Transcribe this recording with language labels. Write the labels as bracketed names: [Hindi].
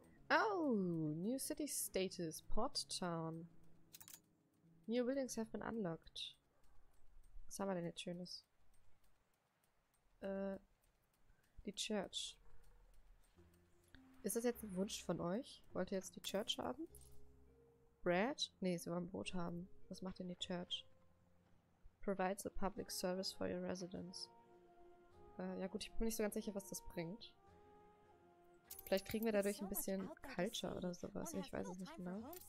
[English] Oh, New City Status, Port Town. New buildings have been unlocked. [German] Was haben wir denn jetzt Schönes? Die Church. Ist das jetzt ein Wunsch von euch? Wollt ihr jetzt die Church haben? Bread? Nee, sie wollen Brot haben. Was macht denn die Church? [English] Provides a public service for your residents. [German] Ja gut, ich bin mir nicht so ganz sicher, was das bringt. Vielleicht kriegen wir dadurch ein bisschen Culture oder sowas. Ich weiß es nicht genau.